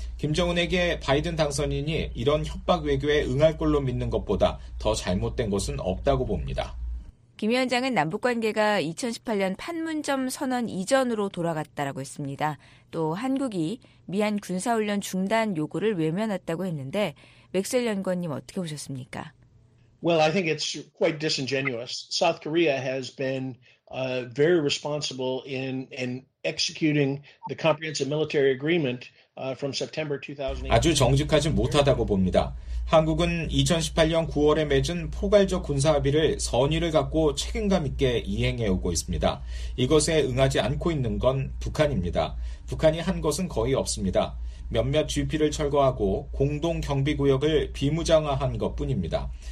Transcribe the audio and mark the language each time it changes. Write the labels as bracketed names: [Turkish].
[Korean] 김정은에게 바이든 당선인이 이런 협박 외교에 응할 걸로 믿는 것보다 더 잘못된 것은 없다고 봅니다. 김 위원장은 남북관계가 2018년 판문점 선언 이전으로 돌아갔다라고 했습니다. 또 한국이 미한 군사훈련 중단 요구를 외면했다고 했는데 맥셀 연구원님 어떻게 보셨습니까? [English] Well, I think it's quite disingenuous. South Korea has been very responsible in executing the comprehensive military agreement from September 2018. [Korean] 아주 정직하지 못하다고 봅니다. 한국은 2018년 9월에 맺은 포괄적 군사합의를 선의를 갖고 책임감 있게 이행해 오고 있습니다. 이것에 응하지 않고 있는 건 북한입니다. 북한이 한 것은 거의 없습니다. 몇몇 GP를 철거하고 공동경비구역을 비무장화한 것뿐입니다.